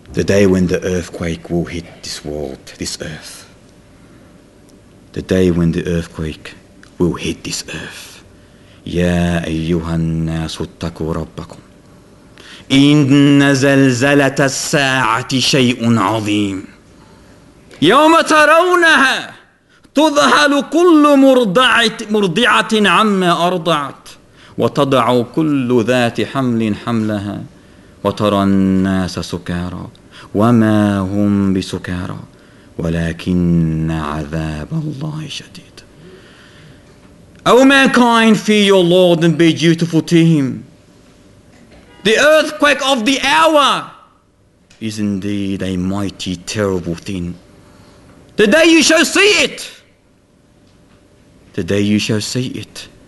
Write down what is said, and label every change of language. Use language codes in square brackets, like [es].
[en] The day when the earthquake will hit this world, this earth. The day when the earthquake will hit this earth. [ar] Ya ayyuhan nasu ittaqu rabbakum. إن زلزلة الساعة شيء عظيم يوم ترونها تذهل كل مرضعة عما أرضعت وتضع كل ذات حمل حملها وترى الناس سكارى وما هم بسكارى ولكن عذاب الله شديد. [en] O mankind, fear your Lord and be dutiful to him. The earthquake of the hour is indeed a mighty, terrible thing. The day you shall see it. The day you shall see it.